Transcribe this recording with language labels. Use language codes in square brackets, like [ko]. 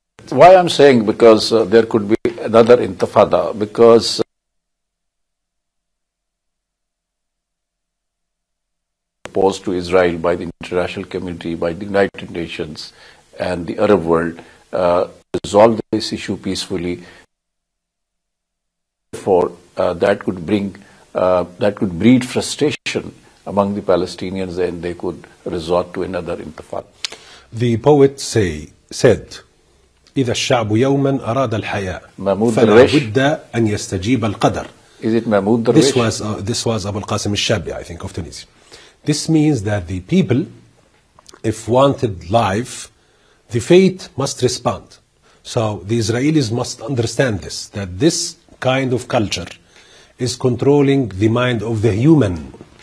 [en] Why I'm saying, because there could be another intifada, because opposed to Israel by the international community, by the United Nations and the Arab world, resolve this issue peacefully. Therefore, that could bring, that could breed frustration among the Palestinians, and they could resort to another intifada. [ar] The poet said, إذا الشعب يوما أراد الحياة فلا بد أن يستجيب القدر. [en] Is it Mahmoud Darwish? This was Abu al-Qasim al-Shabi, I think, of Tunisia. This means that the people, if wanted life, the fate must respond. So the Israelis must understand this, that this kind of culture is controlling the mind of the human.